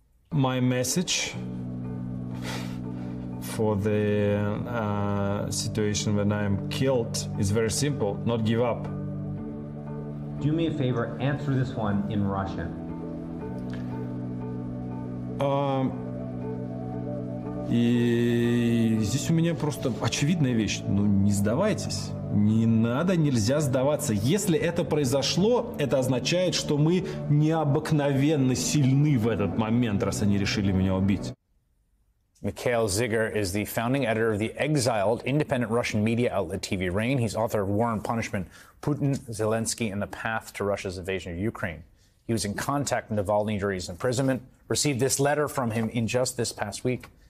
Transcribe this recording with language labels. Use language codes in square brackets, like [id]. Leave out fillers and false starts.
[en] My message for the situation when I am killed is very simple: not give up. Do me a favor, answer this one in Russian. [ru] И здесь у меня просто очевидная вещь. Ну, не сдавайтесь. Не надо, нельзя сдаваться. Если это произошло, это означает, что мы необыкновенно сильны в этот момент, раз они решили меня убить. [en] Mikhail Zygar is the founding editor of the exiled independent Russian media outlet TV Rain. He's author of War and Punishment, Putin, Zelensky, and the Path to Russia's Invasion of Ukraine. He was in contact with Navalny during his imprisonment, received this letter from him in just this past week.